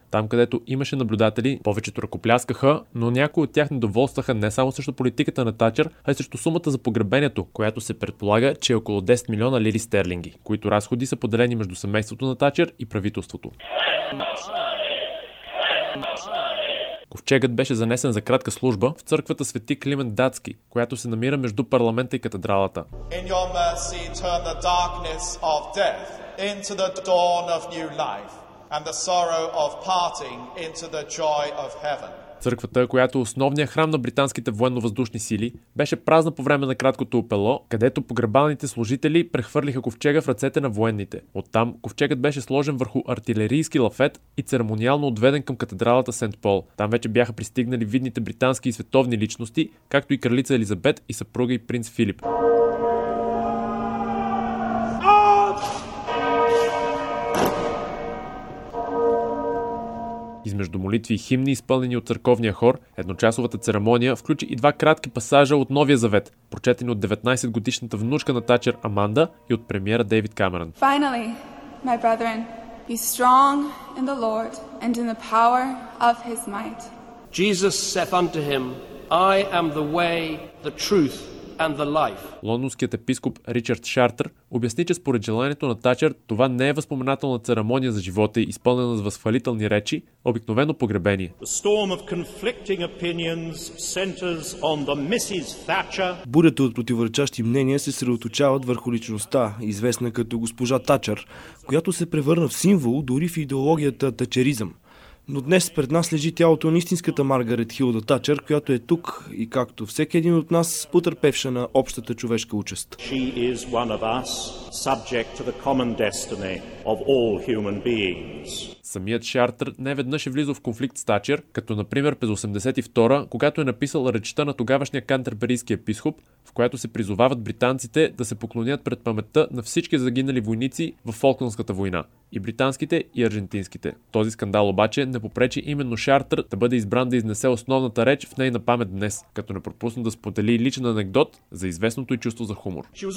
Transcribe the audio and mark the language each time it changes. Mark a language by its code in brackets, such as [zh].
[bg] Там, където имаше наблюдатели, повечето ръкопляскаха, но някои от тях недоволстваха не само срещу политиката на Тачър, а и срещу сумата за погребението, която се предполага, че е около 10 милиона лири стерлинги, които разходи са поделени между семейството на Тачър и правителството. Ковчегът беше занесен за кратка служба в църквата Свети Климент Датски, която се намира между парламента и катедралата. [en] In your mercy turn the darkness of death into the dawn of new life and the sorrow of parting into the joy of heaven. [bg] Църквата, която е основният храм на британските военновъздушни сили, беше празна по време на краткото опело, където погребалните служители прехвърлиха ковчега в ръцете на военните. Оттам ковчегът беше сложен върху артилерийски лафет и церемониално отведен към катедралата Сент Пол. Там вече бяха пристигнали видните британски и световни личности, както и кралица Елизабет и съпруга и принц Филип. Между молитви и химни, изпълнени от църковния хор, едночасовата церемония включи и два кратки пасажа от Новия завет, прочетени от 19-годишната внучка на Тачър Аманда и от премиера Дейвид Камерън. [en] Finally, my brethren, be strong in the Lord and in the power of his might. Jesus saith unto him, I am the way, the truth and the life. [bg] Лондонският епископ Ричард Шартер обясни, че според желанието на Тачър това не е възпоменателна церемония за живота, изпълнена с възхвалителни речи, а обикновено погребение. [en] The storm of conflicting opinions centers on the Mrs. Thatcher. [bg] Бурята от противоречащи мнения се съсредоточават върху личността, известна като госпожа Тачър, която се превърна в символ дори в идеологията тачеризъм. Но днес пред нас лежи тялото на истинската Маргарет Хилда Тачър, която е тук и както всеки един от нас, потърпевша на общата човешка участ. [en] She is one of us, subject to the common destiny of all human beings. [bg] Самият Шартер неведнъж е влизал в конфликт с Тачър, като например през 82-а, когато е написал речта на тогавашния кантерберийски епископ, в която се призовават британците да се поклонят пред паметта на всички загинали войници във Фолкландската война. И британските, и аржентинските. Този скандал обаче не попречи именно Шартер да бъде избран да изнесе основната реч в нейна памет днес, като не пропусна да сподели личен анекдот за известното й чувство за хумор.